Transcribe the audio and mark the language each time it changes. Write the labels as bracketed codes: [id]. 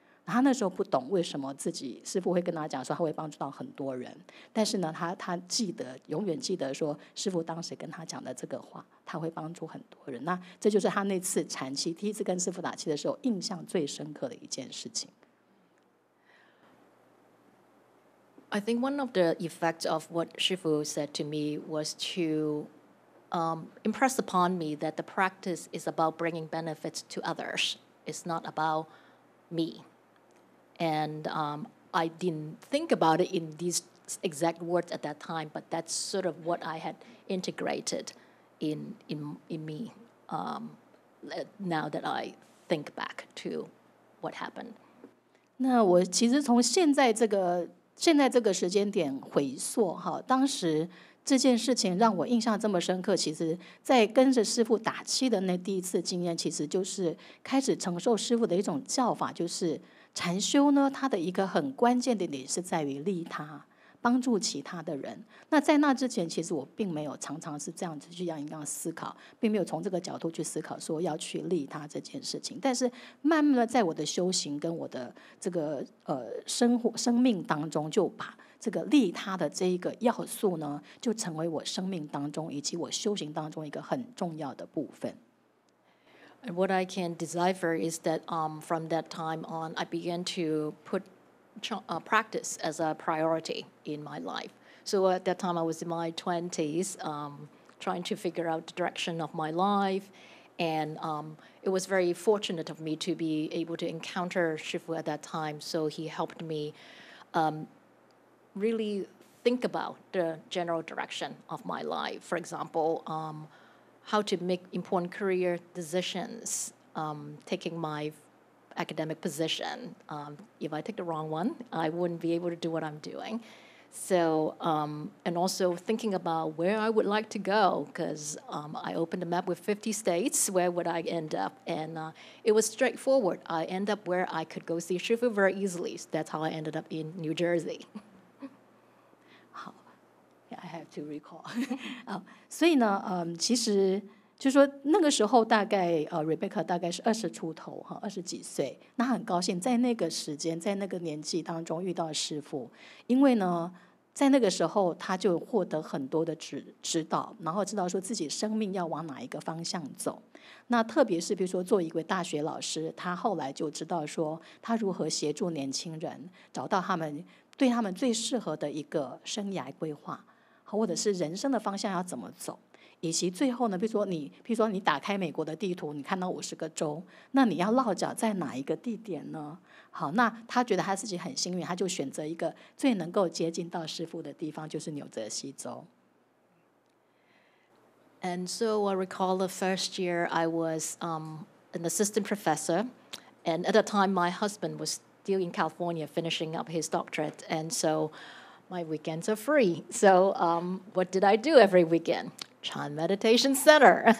[zh] 他那时候不懂为什么自己师父会跟他讲说他会帮助到很多人，但是呢，他记得，永远记得说师父当时跟他讲的这个话，他会帮助很多人。那这就是他那次禅期第一次跟师父打气的时候印象最深刻的一件事情。 [en] I think one of the effects of what Shifu said to me was to impress upon me that the practice is about bringing benefits to others. It's not about me. And I didn't think about it in these exact words at that time, but that's sort of what I had integrated in me now that I think back to what happened. [zh] 那我其实从现在这个时间点回溯，当时这件事情让我印象这么深刻，其实在跟着师父打气的那第一次经验，其实就是开始承受师父的一种教法，就是禅修呢，它的一个很关键的点是在于利他，帮助其他的人。那在那之前，其实我并没有常常是这样子去样思考，并没有从这个角度去思考说要去利他这件事情。但是慢慢的，在我的修行跟我的这个生命当中，就把这个利他的这一个要素呢，就成为我生命当中以及我修行当中一个很重要的部分。 [en] And what I can decipher is that from that time on, I began to put practice as a priority in my life. So at that time I was in my 20s, trying to figure out the direction of my life, and it was very fortunate of me to be able to encounter Shifu at that time, so he helped me really think about the general direction of my life. For example, how to make important career decisions, taking my academic position. If I take the wrong one, I wouldn't be able to do what I'm doing. So, and also thinking about where I would like to go, because I opened a map with 50 states, where would I end up? And it was straightforward. I end up where I could go see Shifu very easily. So that's how I ended up in New Jersey. Yeah, I have to recall. [zh] 所以呢，其实就是说那个时候大概Rebecca 大概是20出头，二十几岁，那很高兴在那个时间在那个年纪当中遇到师父。因为呢在那个时候他就获得很多的指导，然后知道说自己生命要往哪一个方向走。那特别是比如说做一位大学老师，他后来就知道说他如何协助年轻人找到他们对他们最适合的一个生涯规划，或者是人生的方向要怎么走，以及最后呢，比如说你打开美国的地图，你看到50个州，那你要落脚在哪一个地点呢？好，那他觉得他自己很幸运，他就选择一个最能够接近到师父的地方，就是纽泽西州。 [en] And so I recall the first year I was an assistant professor, and at the time my husband was still in California finishing up his doctorate, and so my weekends are free. So what did I do every weekend? Chan Meditation Center.